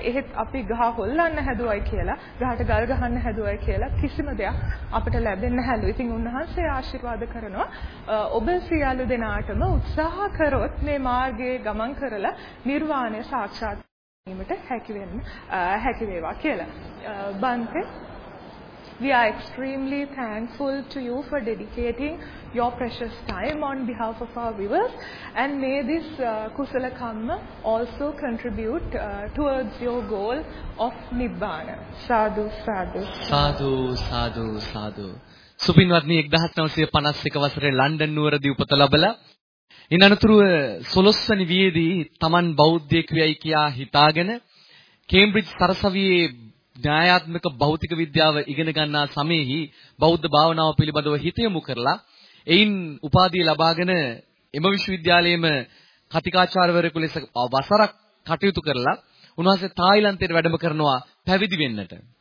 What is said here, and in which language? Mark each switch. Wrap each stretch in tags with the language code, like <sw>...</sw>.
<si>එහෙත් අපි ගහ හොල්ලන්න හැදුවයි කියලා ගහට ගල් ගහන්න හැදුවයි කියලා කිසිම දෙයක් අපිට ලැබෙන්නේ නැහැලු. ඉතින් උන්වහන්සේ ආශිර්වාද කරනවා ඔබ සියලු දෙනාටම උත්සාහ කරොත් මේ මාර්ගයේ ගමන් කරලා නිර්වාණය සාක්ෂාත් කරගන්නට හැකි වේවා කියලා.</si> <en>බන්තේ, we are extremely thankful to you for dedicating your precious time on behalf of our viewers, and may this kusala karma also contribute towards your goal of nibbana.</en> <pi>Sadhu sadhu sadhu sadhu sadhu.</pi> <si>Subinwadni 1951 වසරේ London නුවරදී උපත ලැබලා ඉනනතුරුව 11 වෙනි වියේදී Taman බෞද්ධයෙක් වෙයි කියා හිතාගෙන Cambridge සරසවියේ ඥායාත්මක භෞතික විද්‍යාව ඉගෙන ගන්නා සමයේහි බෞද්ධ භාවනාව පිළිබඳව හිත යොමු කරලා එයින් උපාධිය ලබාගෙන එම විශ්වවිද්‍යාලයේම කථිකාචාර්යවරයෙකු ලෙස වසරක් කටයුතු කරලා උන්වහන්සේ තායිලන්තයේ වැඩම කරනවා පැවිදි වෙන්නට.</si>